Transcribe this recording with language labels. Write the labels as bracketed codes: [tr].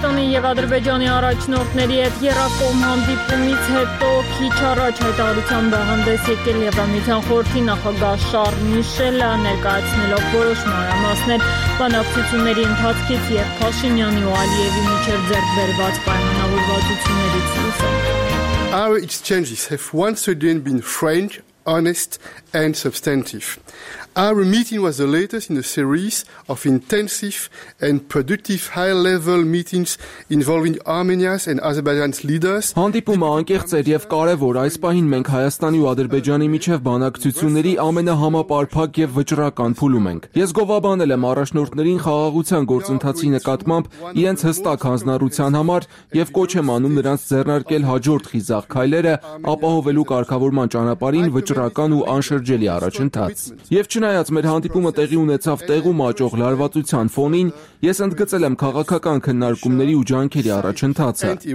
[hy] Եվ Ադրբեջանի առաջնորդների հետ երկկողմ հանդիպումից հետո քիչ առաջ հայտարարությամբ հանդես եկել Եվրամիության խորհրդի նախագահ Շառլ Միշելը, ներկայացնելով որոշ մանրամասներ բանակցությունների ընթացքից և Փաշինյանի ու Ալիևի միջև ձեռք բերված պայմանավորվածություններից։ [en] Our exchanges have once again been frank, honest and substantive. Our meeting was the latest in a series of intensive and productive high-level meetings involving Armenia's and Azerbaijan's leaders. [hy] Հանդիպումը անկեղծ էր եւ կարեւոր, այս պահին մենք Հայաստանի ու Ադրբեջանի միջև բանակցությունների ամենահամապարփակ եւ վճռական փուլում ենք։ Ես գովաբանել եմ առաջնորդներին խաղաղության գործընթացի նկատմամբ իրենց հստակ հանձնառության համար եւ կոչ եմ անում նրանց ձեռնարկել հաջորդ խիզախ քայլերը ապահովելու կարգավորման ճանապարհին վճռական ու անշրջելի առաջընթաց։ Եվ չնայած մեր հանդիպումը տեղի ունեցավ տեղում աճող լարվածության ֆոնին, ես ընդգծել եմ քաղաքական քննարկումների ու ջանքերի առաջընթացը։